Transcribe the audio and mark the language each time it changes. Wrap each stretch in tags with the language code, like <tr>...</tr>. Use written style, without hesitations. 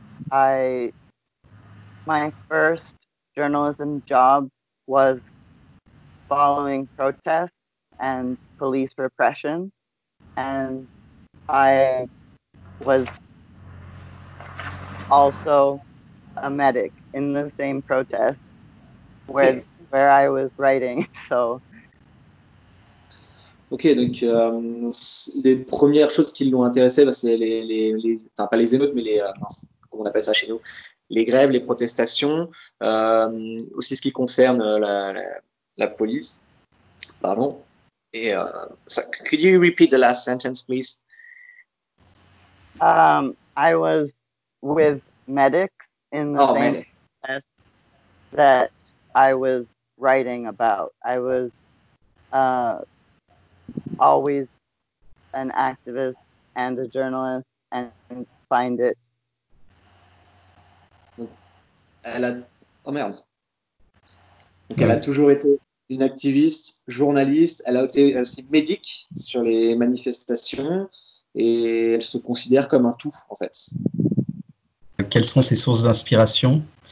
<en>My first journalism job was following protests and police repression, and I was also a medic in the same protest where I was writing, so.</en> <fr>Ok, donc les premières choses qui l'ont intéressé, bah, c'est pas les émeutes, mais comment on appelle ça chez nous, les grèves, les protestations, aussi ce qui concerne la police, pardon. Et ça,</fr> <en>could you repeat the last sentence, please? I was with medics in the same medic that I was writing about. I was always an activist and a journalist, and find it.</en> <fr>Elle a toujours été une activiste, journaliste, elle a été aussi médic sur les manifestations, et elle se considère comme un tout, en fait. Quelles sont ses sources d'inspiration?</fr>